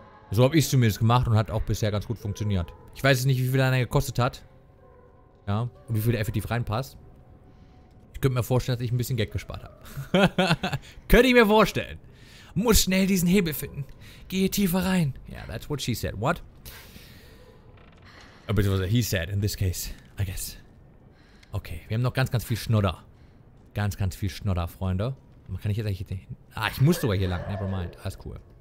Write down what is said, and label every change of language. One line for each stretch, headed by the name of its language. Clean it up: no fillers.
German: So habe ich es zumindest gemacht und hat auch bisher ganz gut funktioniert. Ich weiß jetzt nicht, wie viel deiner gekostet hat. Ja. Und wie viel der effektiv reinpasst. Ich könnte mir vorstellen, dass ich ein bisschen Geld gespart habe. Könnte ich mir vorstellen. Muss schnell diesen Hebel finden. Gehe tiefer rein.
English: Yeah, that's what she said. What? But it was a he said in this case, I guess.
German: Okay, wir haben noch ganz, ganz viel Schnodder. Ganz, ganz viel Schnodder, Freunde. Kann ich jetzt eigentlich... Ah, ich muss sogar hier lang.
English: Never mind.
German: Alles cool.